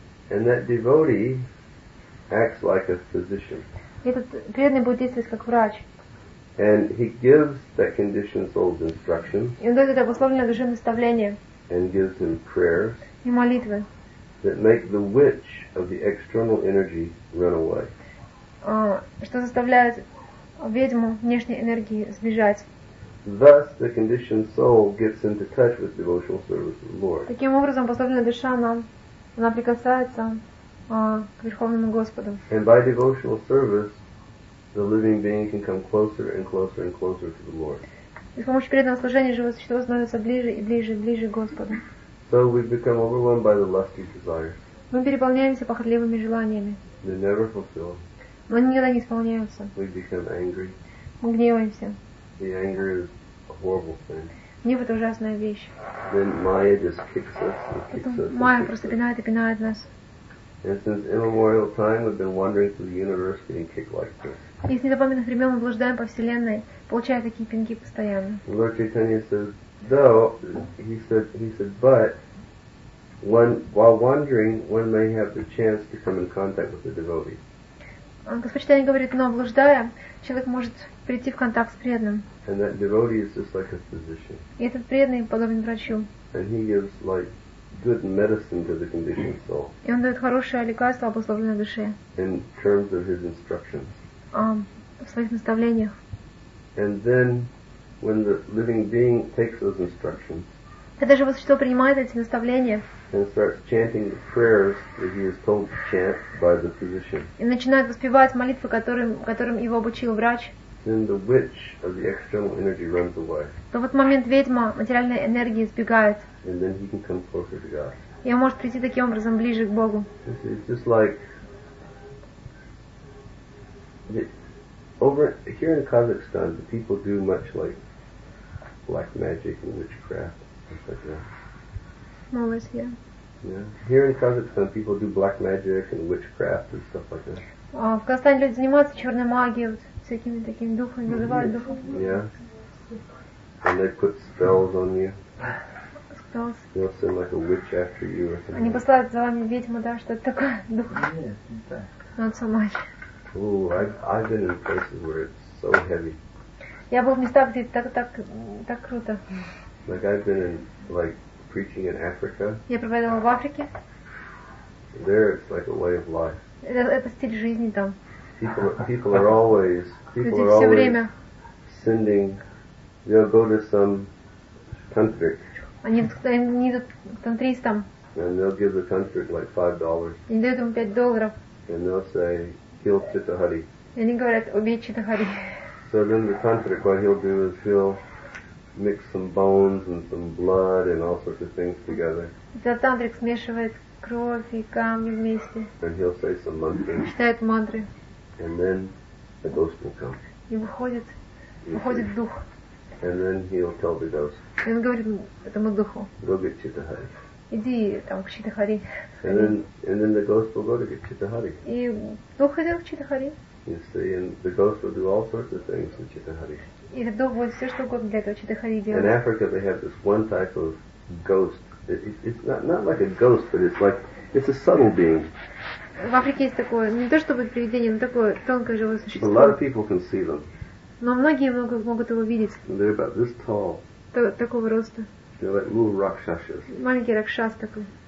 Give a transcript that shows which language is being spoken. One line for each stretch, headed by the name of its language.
English: And that devotee acts like a physician.
Russian: Этот преданный будет действовать как врач.
English: And he gives that conditioned soul's instruction.
Russian: И он дает это обусловленное душе наставление.
English: And gives him prayers.
Russian: И молитвы.
English: That make the witch of the external energy run away.
Russian: Что заставляет ведьму внешней энергии сбежать.
English: Thus the conditioned soul gets into touch with devotional service of the Lord.
Russian: Таким образом обусловленная душа она прикасается к Верховному Господу.
English: And by devotional service, the living being can come closer and closer and closer to the Lord.
Russian: И с помощью преданного служения живое существо становится ближе и ближе и ближе к Господу.
English: So we become overwhelmed by the lusty desires.
Russian: Мы переполняемся похотливыми желаниями.
English: They never fulfill.
Russian: Но они никогда не исполняются.
English: We become angry.
Russian: Мы гневаемся.
English: The anger is a horrible thing.
Russian: Гнев — это ужасная вещь.
English: Then Maya just kicks us and kicks
Russian: Потом
English: us.
Russian: Майя просто пинает и пинает нас.
English: And since immemorial time, we've been wandering through the universe getting kicked like this.
Russian: Из незапамятных времен мы блуждаем по вселенной, получая такие пинки постоянно.
English: Lord Chaitanya says, though he said, but one while wandering, one may have the chance to come in contact with the devotee.
Russian: Господь Чайтанья говорит, но блуждая, человек может прийти в контакт с преданным.
English: And that devotee is just like a physician.
Russian: И этот преданный подобен врачу.
English: And he gives like good medicine to the conditioned soul.
Russian: И он дает хорошее лекарство обусловленной душе.
English: In terms of his instructions.
Russian: В своих наставлениях.
English: And then, when the living being takes those instructions.
Russian: Когда живое существо принимает эти наставления.
English: And starts chanting the prayers that he is told to chant by the physician.
Russian: И начинает воспевать молитвы, которым его обучил врач.
English: Then the witch of the external energy runs away.
Russian: То в этот момент ведьма материальной энергии сбегает.
English: And then he can come closer to God.
Russian: И он может прийти таким образом ближе к Богу.
English: It's just like over here in Kazakhstan, the people do much like black magic and witchcraft and stuff like that. Always here. Yeah. Here in Kazakhstan, people do black magic and witchcraft and stuff like that.
Russian: В Казахстане люди занимаются черной магией, вот всякими такими духами, называют духов.
English: Yeah. And they put spells on you. They'll send like a witch after you or something.
Russian: Они посылают за вами ведьму, да, что это такое, дух.
English: Not so much. Ooh, I've been in places where it's so heavy.
Russian: Я был в местах, где так круто.
English: Like I've been in, like, preaching in Africa.
Russian: Я проповедовал в Африке.
English: There it's like a way of life.
Russian: Это стиль жизни там.
English: People are always, people are always
Russian: время.
English: Sending, they'll go to some tantric.
Russian: Они идут к тантристам.
English: And they'll give the tantric like $5.
Russian: И дают ему $5.
English: And they'll say, kill Chittahari.
Russian: И они говорят, убей Читахари.
English: So then the tantric, what he'll do is he'll mix some bones and some blood and all sorts of things together.
Russian: Да, тантрик смешивает кровь и камни вместе.
English: And he'll say some mantra.
Russian: Читает мантры.
English: And then the ghost will come.
Russian: И выходит дух.
English: And then he'll tell the ghost.
Russian: И он говорит этому духу.
English: Go get Chittahari.
Russian: Иди там к Читахари.
English: And then the ghost will go to get Chittahari.
Russian: И дух идет к Читахари.
English: You see, and the ghost will do all sorts of things with Chittahari.
Russian: И дух будет все, что угодно для этого Читахари делать.
English: In Africa they have this one type of ghost. It's not like a ghost, but it's a subtle being.
Russian: В Африке есть такое, не то чтобы привидение, но такое тонкое живое существо.
English: A lot of people can see them.
Russian: Но многие могут его видеть.
English: They're about this tall.
Russian: Такого роста.
English: They're like little rakshasas.
Russian: Маленький ракшас такой.